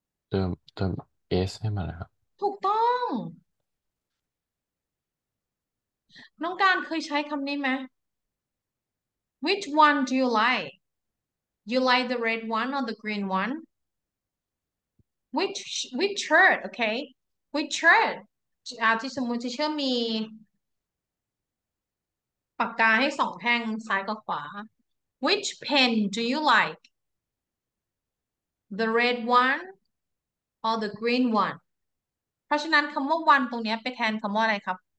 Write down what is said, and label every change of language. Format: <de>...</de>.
<th>เติมเอสให้มาแล้วครับ ถูกต้องน้องการเคยใช้คำนี้ไหม</th> <en>Which one do you like? You like the red one or the green one? Which shirt? Okay. Which shirt?</en> <th>ที่สมมติเชื่อมีปากกาให้สองแท่งซ้ายกับขวา</th> <en>Which pen do you like? The red one or the green one?</en> <th>เพราะฉะนั้นคำว่า one ตรงนี้ไปแทนคำว่าอะไรครับ</th>